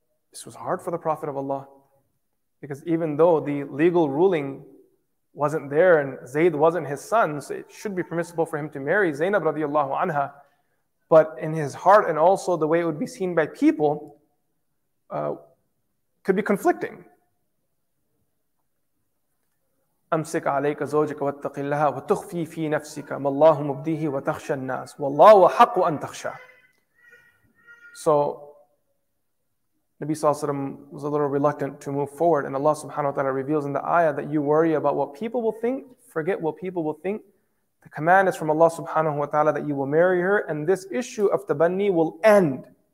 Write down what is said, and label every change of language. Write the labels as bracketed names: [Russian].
[English] This was hard for the Prophet of Allah, because even though the legal ruling wasn't there and Zayd wasn't his son, so it should be permissible for him to marry Zaynab radiallahu anha, but in his heart and also the way it would be seen by people could be conflicting. [Arabic] أمسك عليك زوجك واتق الله وتخفي في نفسك ما الله مبديه وتخشى الناس والله حق أن تخشى. [English] So Nabi sallallahu alayhi wa sallam was a little reluctant to move forward, and Allah subhanahu wa ta'ala reveals in the ayah that you worry about what people will think, forget what people will think. The command is from Allah subhanahu wa ta'ala that you will marry her, and this issue of tabanni will end.